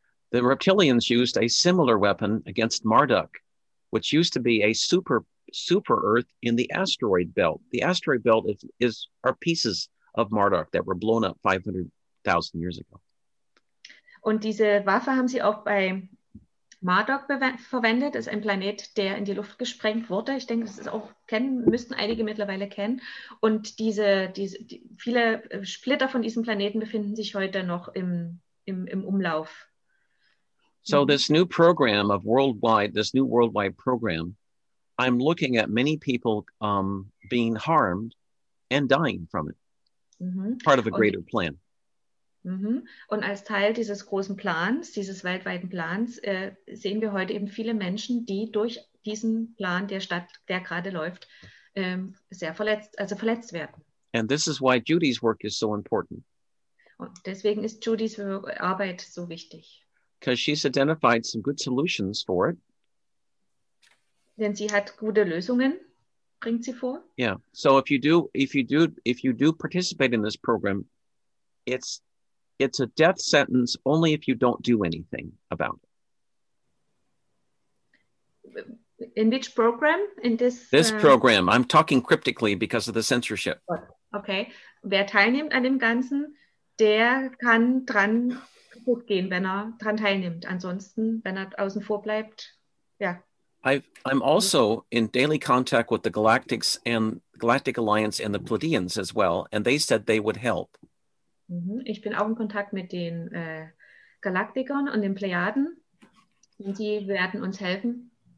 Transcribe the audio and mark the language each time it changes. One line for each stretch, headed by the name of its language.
English: The reptilians used a similar weapon against Marduk, which used to be a super Earth in the asteroid belt. The asteroid belt are pieces of Marduk that were blown up 500,000 years ago.
German: Und diese Waffe haben sie auch bei Marduk verwendet. Das ist ein Planet, der in die Luft gesprengt wurde. Ich denke, das ist auch müssten einige mittlerweile kennen. Und viele Splitter von diesem Planeten befinden sich heute noch im Umlauf.
English: So this new program of worldwide, this new worldwide program, I'm looking at many people being harmed and dying from it. Mm-hmm. Part of a greater plan.
German: Und als Teil dieses großen Plans, dieses weltweiten Plans, sehen wir heute eben viele Menschen, die durch diesen Plan, der gerade läuft, verletzt werden.
English: And this is why Judy's work is so important.
German: Und deswegen ist Judys Arbeit so wichtig.
English: Because she's identified some good solutions for it.
German: Denn sie hat gute Lösungen, bringt sie vor.
English: Yeah. So if you do participate in this program, it's a death sentence only if you don't do anything about it. In which program? In this? This program. I'm talking cryptically because of the censorship. Okay.
German: Wer teilnimmt an dem Ganzen, der kann dran gut gehen, wenn er dran teilnimmt. Ansonsten, wenn er außen vor bleibt, ja.
English: I'm also in daily contact with the Galactics and Galactic Alliance and the Pleiadians as well, and they said they would help.
German: Ich bin auch in Kontakt mit den Galaktikern und den Plejaden. Und die werden uns helfen.